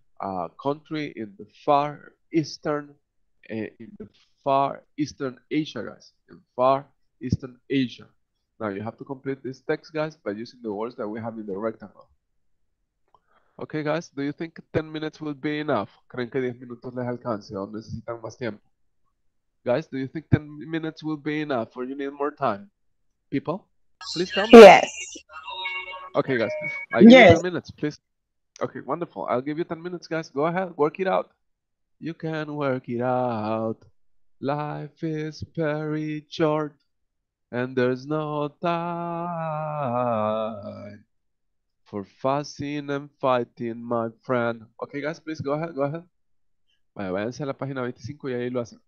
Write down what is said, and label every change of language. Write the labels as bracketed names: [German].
[English] A country in the far eastern, guys. In far eastern Asia. Now, you have to complete this text, guys, by using the words that we have in the rectangle. Okay, guys, do you think 10 minutes will be enough? [Spanish] ¿Creen que 10 minutos les alcance o necesitan más tiempo? [English] Guys, do you think 10 minutes will be enough or you need more time? People, please tell me. Yes. Okay, guys, I'll give you 10 minutes, please. Okay, wonderful. I'll give you 10 minutes, guys. Go ahead, work it out. You can work it out. Life is very short, and there's no time for fussing and fighting, my friend. Okay, guys, please go ahead. [Spanish] Bueno, váyanse a la página 25 y ahí lo hacen.